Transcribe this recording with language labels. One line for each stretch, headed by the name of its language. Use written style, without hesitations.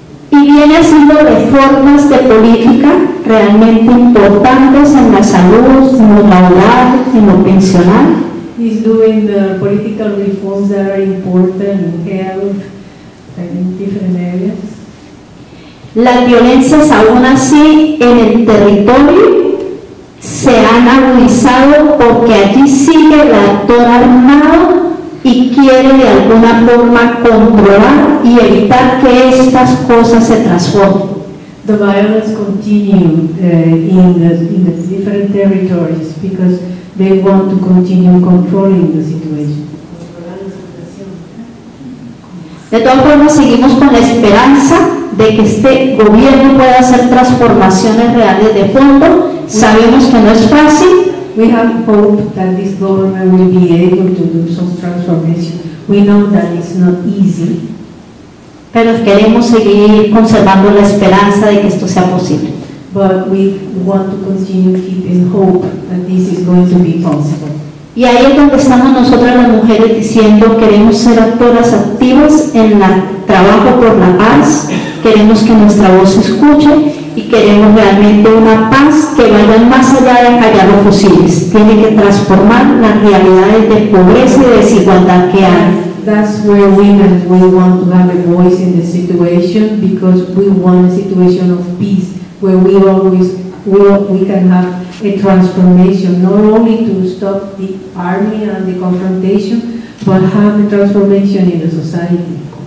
Spanish: Y viene haciendo reformas de política realmente importantes en la salud, en lo laboral, en lo pensional.
English: He's doing the political reforms that are important in health and in different areas.
Spanish: Las violencias aún así en el territorio se han agudizado porque allí sigue el actor armado y quiere de alguna forma controlar y evitar que estas cosas se transformen.
English: The violence continue in the different territories because they want to continue controlling the situation.
Spanish: De todas formas seguimos con la esperanza de que este gobierno pueda hacer transformaciones reales de fondo. Sabemos que no es fácil.
English: We have hope that this government will be able to do some transformation. We know that it's not easy.
Spanish: Pero queremos seguir conservando la esperanza de que esto sea posible.
English: But we want to continue keeping hope that this is going to be possible.
Spanish: Y ahí es donde estamos nosotras las mujeres diciendo queremos ser actoras activas en el trabajo por la paz, queremos que nuestra voz se escuche y queremos realmente una paz que vaya más allá de callar los fusiles. Tiene que transformar las realidades de pobreza y desigualdad que hay.
English: That's where women we want to have a voice in the situation because we want a situation of peace where we can have a transformation, not only to stop the army and the confrontation, but have a transformation in the society.